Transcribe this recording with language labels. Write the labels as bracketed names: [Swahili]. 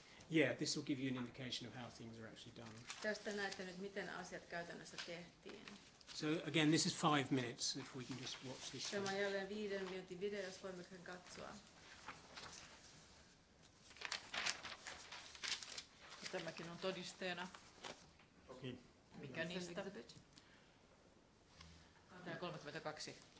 [English] Yeah, this will give you an indication of how things are actually done. [Finnish] Tästä näette nyt, miten asiat käytännössä tehtiin. [English] So again, this is 5 minutes, if we can just watch this. [Finnish] Tämä on jälleen 5 minuutin video, jos voimme sen katsoa. Tämäkin on todisteena. Okay. Mikä niistä? Tämä 32.